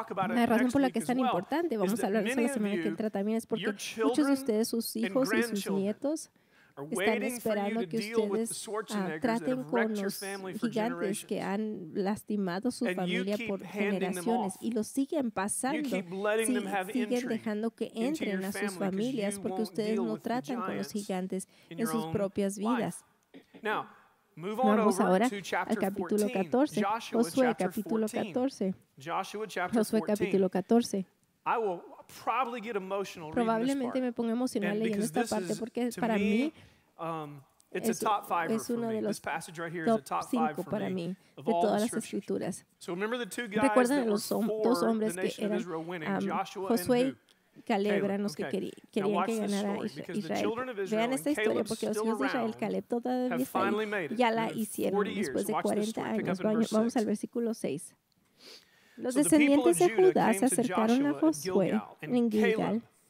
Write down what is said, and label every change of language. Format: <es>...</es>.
<es>La razón por la que es tan importante, vamos a hablar de eso la semana que entra también, es porque muchos de ustedes, sus hijos y sus nietos, están esperando que ustedes traten con los gigantes que han lastimado su familia por generaciones y los siguen pasando, siguen dejando que entren a sus familias porque ustedes no tratan con los gigantes en sus propias vidas. Vamos ahora al capítulo 14, Josué capítulo 14, Josué capítulo 14. Probablemente me ponga emocional leyendo esta parte porque para mí</es> <en>it's a top five for me. This passage right here is a top five for me</en> <es>de todas las escrituras.</es> <en>So remember the two guys that</en> <es>dos hombres que eran Josué y Caleb eran los que querían que ganara Israel. Vean esta historia porque los hijos de Israel, Caleb, todavía ya la hicieron después de 40 años. Vamos al versículo 6. Los descendientes de Judá se acercaron a Josué en Gilgal.</es>